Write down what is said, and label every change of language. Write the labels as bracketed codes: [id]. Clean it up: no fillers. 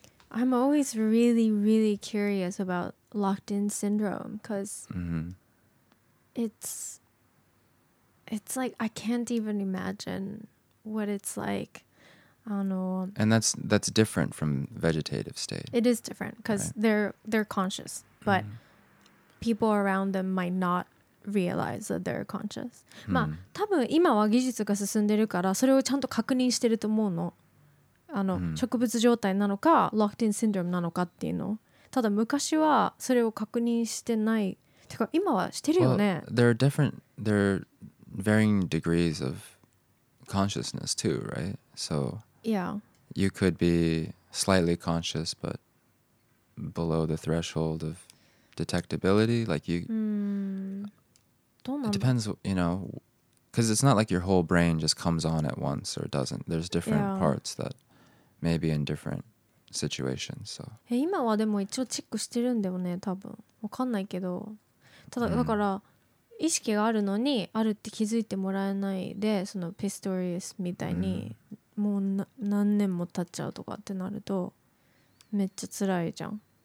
[en] I'm always really, really curious about locked-in syndrome because it's like I can't even imagine what it's like. I don't know. And that's different from vegetative state. It is different because they're conscious, but people around them might not realize that they're conscious. [ja] まあ、多分今は技術が進んでるからそれをちゃんと確認してると思うの。あの、植物状態なのか、locked in syndrome なのかっていうの。ただ昔はそれを確認してない。てか今はしてるよね。 [en] Well, there are varying degrees of consciousness too, right? So yeah. You could be slightly conscious, but below the threshold ofdetectability, like you, it depends, you know, because it's not like your whole brain just comes on at once or doesn't. There's different parts that may be in different situations. So, [ja] 今はでも一応チェックしてるんだよね、多分。わかんないけど、ただだから意識があるのにあるって気づいてもらえないで、そのピストリウスみたいにもう何年も経っちゃうとかってなるとめっちゃ辛いじゃん。